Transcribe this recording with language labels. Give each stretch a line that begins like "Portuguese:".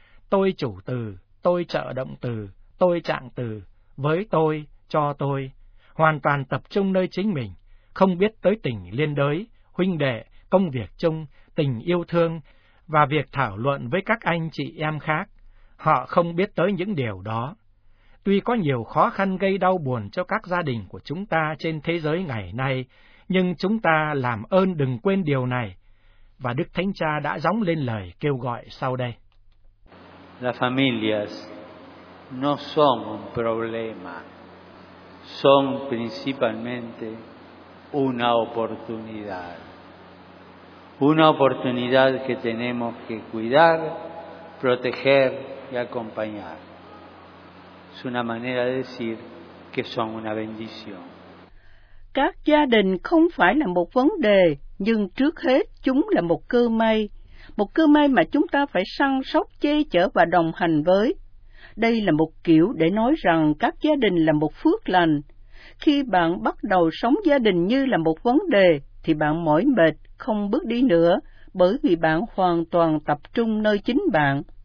Vietnamese: Tôi chủ từ, tôi trợ động từ, tôi trạng từ, với tôi, cho tôi, hoàn toàn tập trung nơi chính mình, không biết tới tình liên đới, huynh đệ, công việc chung, tình yêu thương, và việc thảo luận với các anh chị em khác. Họ không biết tới những điều đó. Tuy có nhiều khó khăn gây đau buồn cho các gia đình của chúng ta trên thế giới ngày nay, nhưng chúng ta làm ơn đừng quên điều này. Và Đức Thánh Cha đã gióng lên lời kêu gọi sau đây.
Spanish: Las familias no son un problema, son principalmente una oportunidad que tenemos que cuidar, proteger y acompañar. Es una manera de decir que son una bendición.
Vietnamese: Các gia đình không phải là một vấn đề, nhưng trước hết chúng là một cơ may. Một cơ may mà chúng ta phải săn sóc, che chở và đồng hành với. Đây là một kiểu để nói rằng các gia đình là một phước lành. Khi bạn bắt đầu sống gia đình như là một vấn đề, thì bạn mỏi mệt, không bước đi nữa, bởi vì bạn hoàn toàn tập trung nơi chính bạn.